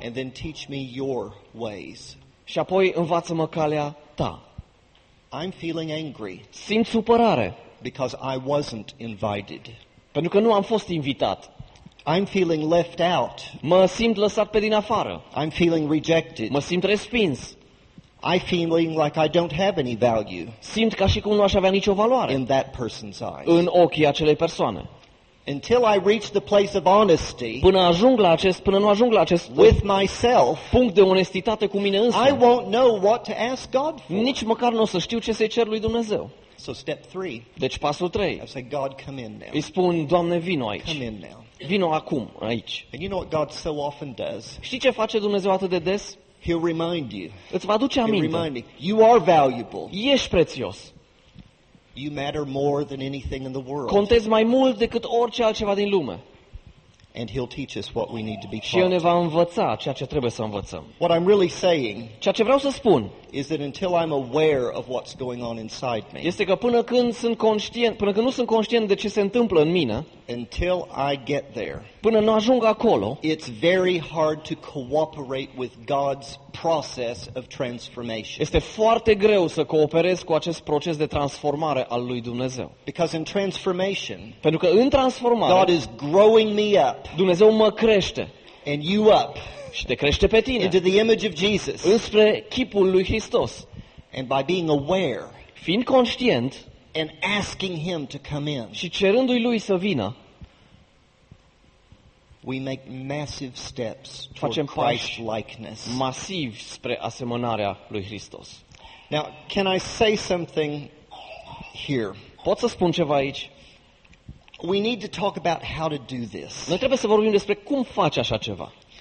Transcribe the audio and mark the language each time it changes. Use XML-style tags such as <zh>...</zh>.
<en>And then teach me your ways.</en> <ro>Și apoi învață-mă calea ta.</ro> <en>I'm feeling angry.</en> <ro>Simt supărare</ro> <en>because I wasn't invited.</en> <ro>Pentru că nu am fost invitat.</ro> <en>I'm feeling left out.</en> <ro>Mă simt lăsat pe din afară.</ro> <en>I'm feeling rejected.</en> <ro>Mă simt respins.</ro> <en>I feeling like I don't have any value.</en> <ro>Simt ca și cum nu aș avea nicio valoare.</ro> <en>In that person's eyes.</en> <ro>În ochii acelei persoane.</ro> <en>Until I reach the place of honesty.</en> <ro>Până nu ajung la acest</ro> <en>with myself.</en> <ro>Punct de onestitate cu mine însumi.</ro> <en>I won't know what to ask God for.</en> <ro>Nici măcar n-o să știu ce să-i cer lui Dumnezeu.</ro> <en>So step 3.</en> <ro>Deci pasul 3.</ro> <en>I say, God, come in now.</en> <ro>Îi spun, Doamne, vino aici.</ro> <en>Come in now.</en> <ro>Vino acum aici.</ro> <en>And you know what God so often does?</en> <ro>Știi ce face Dumnezeu atât de des?</ro> <en>He'll remind you.</en> <ro>Îți va aduce aminte.</ro> <en>He'll remind you. You are valuable.</en> <ro>Ești prețios.</ro> <en>You matter more than anything in the world.</en> <ro>Contezi mai mult decât orice altceva din lume.</ro> <en>And he'll teach us what we need to be taught.</en> <ro>Și el ne va învăța ceea ce trebuie să învățăm.</ro> <en>What I'm really saying,</en> <ro>ceea ce vreau să spun,</ro> <en>is that until I'm aware of what's going on inside me.</en> <ro>Este că până când nu sunt conștient de ce se întâmplă în mine,</ro> <en>until I get there.</en> <ro>Până nu ajung acolo,</ro> <en>it's very hard to cooperate with God's process of transformation.</en> <ro>Este foarte greu să cooperez cu acest proces de transformare al lui Dumnezeu.</ro> <en>Because in transformation,</en> <ro>pentru că în transformare,</ro> <en>God is growing me up.</en> <ro>Dumnezeu mă crește.</ro> <en>And you up.</en> <ro>Și te crește pe tine.</ro> <en>Into the image of Jesus.</en> <ro>Înspre chipul lui Hristos.</ro> <en>And by being aware,</en> <ro>fiind conștient,</ro> <en>and asking him to come in.</en> <ro>Și cerându-i lui să vină.</ro> <en>We make massive steps toward Christ likeness.</en> <ro>Masiv spre asemănarea lui Hristos.</ro> <en>Now, can I say something here?</en> <ro>Pot să spun ceva aici?</ro> <en>We need to talk about how to do this.</en> <ro>Noi trebuie să vorbim despre cum faci așa ceva.</ro>